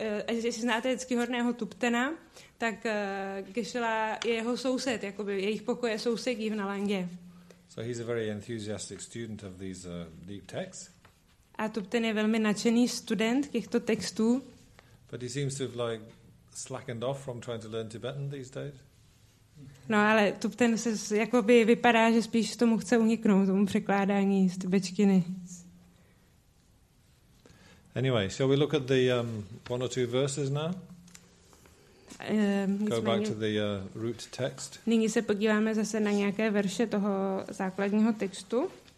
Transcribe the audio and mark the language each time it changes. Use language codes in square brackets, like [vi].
[cs] Jestli znáte ctihodného Tuptena, tak Geshe-la je jeho soused, jakoby jejich pokoje sousedí v Nalandě. [en] So he's a very enthusiastic student of these deep texts. [cs] A Tupten je velmi nadšený student těchto textů. [en] But he seems to have like slackened off from trying to learn Tibetan these days. [cs] No, ale Tupten se jakoby vypadá, že spíš tomu chce uniknout, tomu překládání z tibetčiny. [en] Anyway, shall we look at the one or two verses now? Go back to the root text. [cs] Nyní se podíváme zase na nějaké verše toho základního textu.